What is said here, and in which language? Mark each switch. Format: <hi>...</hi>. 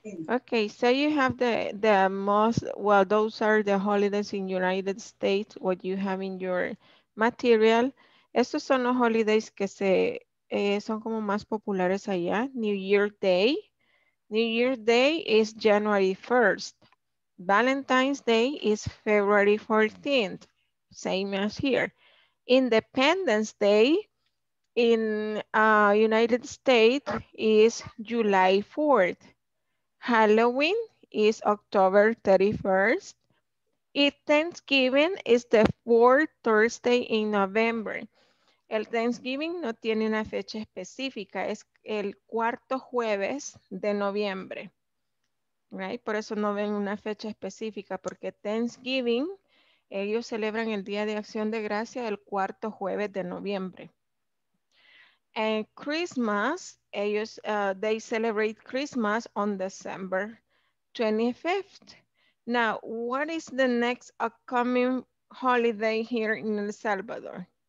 <en>Okay, so you have the most, well, those are the holidays in United States, what you have in your material.</en> <es>Estos son los holidays que se son como más populares allá.</es> <en>New Year Day. New Year Day is January 1st. Valentine's Day is February 14th, same as here. Independence Day in United States is July 4th. Halloween is October 31st. And Thanksgiving is the fourth Thursday in November.</en> <es>El Thanksgiving no tiene una fecha específica, es el cuarto jueves de noviembre. Right? Por eso no ven una fecha específica, porque Thanksgiving, ellos celebran el Día de Acción de Gracia el cuarto jueves de noviembre.</es> <en>And Christmas,</en> <es>ellos,</es> <en>they celebrate Christmas on December 25th. Now, what is the next upcoming holiday here in El Salvador?</en>